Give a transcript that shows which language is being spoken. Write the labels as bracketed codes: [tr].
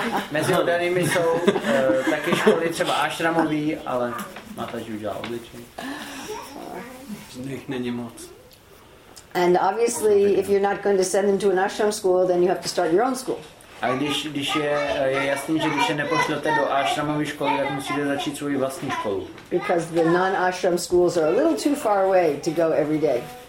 [cs] Mezi oddanými jsou taky školy třeba ašramový, ale má ta žužá obličení. Z nich není moc. [en] And obviously, if you're not going to send them to an ashram school, then you have to start your own school. [cs] A když je jasný, že když je nepošlete do ašramové školy, tak musíte začít svou vlastní školu. [en] Because the non-ashram schools are a little too far away to go every day.